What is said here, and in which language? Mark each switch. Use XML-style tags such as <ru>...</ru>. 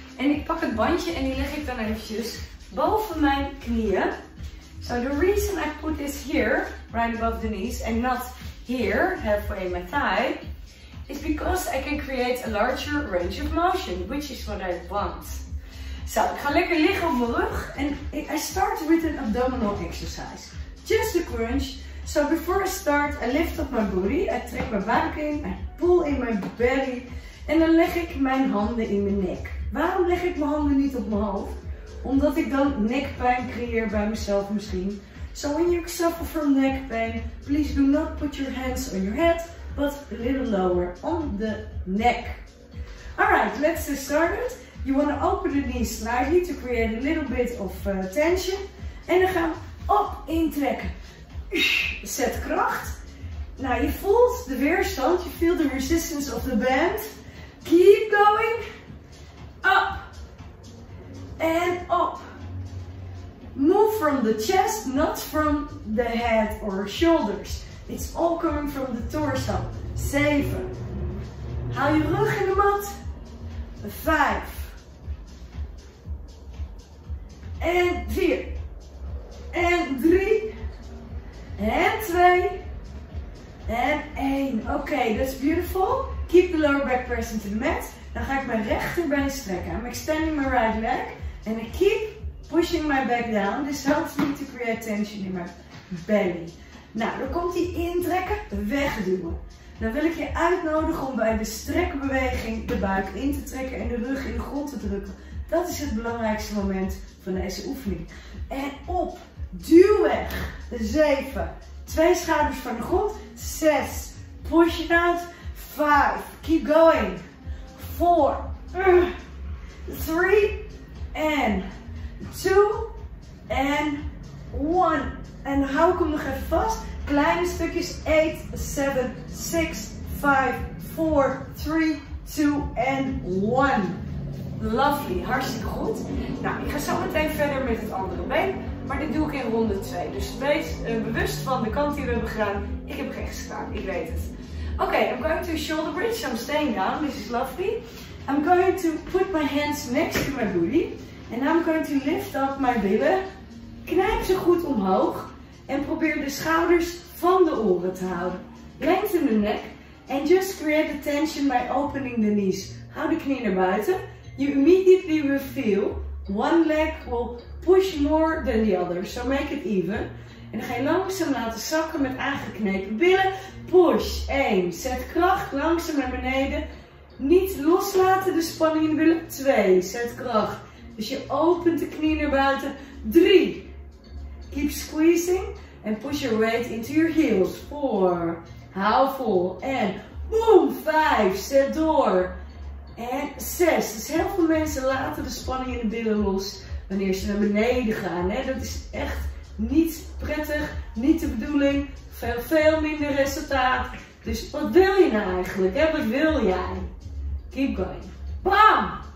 <nl>En ik pak het bandje en die leg ik dan eventjes boven mijn knieën.</nl> <en>So the reason I put this here, right above the knees, and not here, halfway in my thigh, is because I can create a larger range of motion, which is what I want.</en> <nl>So, ik ga lekker liggen op mijn rug.</nl> <en>And I start with an abdominal exercise. Just a crunch. So before I start, I lift up my booty, I</en> <nl>trek mijn buik in,</nl> <en>I pull in my belly.</en> <nl>En dan leg ik mijn handen in mijn nek. Waarom leg ik mijn handen niet op mijn hoofd? Omdat ik dan nekpijn creëer bij mezelf misschien.</nl> <en>So when you suffer from neck pain, please do not put your hands on your head, but a little lower on the neck. Alright, let's get started. You want to open the knees slightly to create a little bit of tension.</en> <nl>En dan gaan we op intrekken. Zet kracht. Nou, je voelt de weerstand.</nl> <en>You feel the resistance of the band. Keep going. Up and up. Move from the chest, not from the head or shoulders. It's all coming from the torso. 7.</en> <nl>Haal je rug in de mat.</nl> <en>5.</en> <nl>En 4. En 3. En 2.</nl> <en>En 1. Okay, that's beautiful. Keep the lower back pressing to the mat.</en> <nl>Dan ga ik mijn rechterbeen strekken.</nl> <en>I'm extending my right leg. And I keep pushing my back down. This helps me to create tension in my belly.</en> <nl>Nou, dan komt die intrekken, wegduwen. Dan wil ik je uitnodigen om bij de strekbeweging de buik in te trekken en de rug in de grond te drukken. Dat is het belangrijkste moment van deze oefening. En op, duw weg. 7. 2 schouders van de grond.</nl> <en>6. Push it out. 5. Keep going. 4, 3, and 2, and 1.</en> <nl>En hou ik hem nog even vast. Kleine stukjes. 8, 7, 6, 5, 4, 3, 2, and 1. Lovely, hartstikke goed. Nou, ik ga zo meteen verder met het andere been. Maar dit doe ik in ronde 2. Dus wees bewust van de kant die we hebben gedaan. Ik heb rechts gedaan, ik weet het.</nl> <en>Okay, I'm going to shoulder bridge. I'm staying down. This is lovely. I'm going to put my hands next to my booty. And I'm going to lift up my billen.</en> <nl>Knijp ze goed omhoog. En probeer de schouders van de oren te houden. Lengthen de nek.</nl> <en>And just create the tension by opening the knees.</en> <nl>Hou de knieën naar buiten.</nl> <en>You immediately will feel one leg will push more than the other. So make it even.</en> <nl>En dan ga je langzaam laten zakken met aangeknepen billen. Push. 1. Zet kracht langzaam naar beneden. Niet loslaten de spanning in de billen. 2. Zet kracht. Dus je opent de knie naar buiten. 3.</nl> <en>Keep squeezing. And push your weight into your heels. 4.</en> <nl>Hou vol.</nl> <en>En</en> <nl>Boom, 5. Zet door. En 6. Dus heel veel mensen laten de spanning in de billen los wanneer ze naar beneden gaan. Hè? Dat is echt niet prettig, niet de bedoeling. Veel, veel minder resultaat. Dus wat wil je nou eigenlijk? Hè? Wat wil jij?</nl> <en>Keep going.</en> <nl>Bam!</nl>